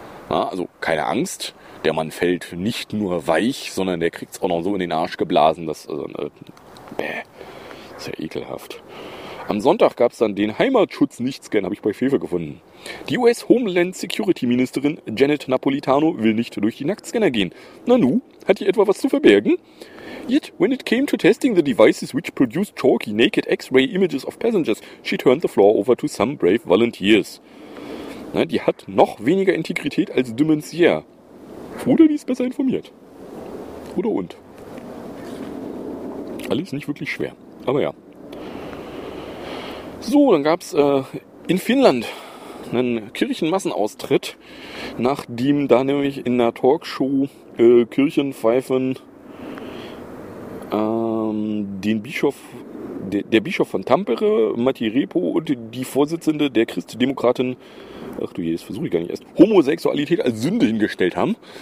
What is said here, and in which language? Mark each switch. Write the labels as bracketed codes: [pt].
[de] Na, also keine Angst, der Mann fällt nicht nur weich, sondern der kriegt es auch noch so in den Arsch geblasen, dass, ist ja ekelhaft. Am Sonntag gab es dann den Heimatschutz nicht scan, habe ich bei Fefe gefunden. Die US-Homeland-Security-Ministerin Janet Napolitano will nicht durch die Nacktscanner gehen. Nanu, hat die etwa was zu verbergen? [en] Yet, when it came to testing the devices which produced chalky, naked X-ray images of passengers, she turned the floor over to some brave volunteers. [de] Na, die hat noch weniger Integrität als Dumensier. Oder die ist besser informiert. Oder und. Alles nicht wirklich schwer. Aber ja. So, dann gab es in Finnland einen Kirchenmassenaustritt, nachdem da nämlich in einer Talkshow Kirchenpfeifen den Bischof, der Bischof von Tampere, Matti Repo, und die Vorsitzende der Christdemokraten, ach du je, das versuche ich gar nicht erst, Homosexualität als Sünde hingestellt haben.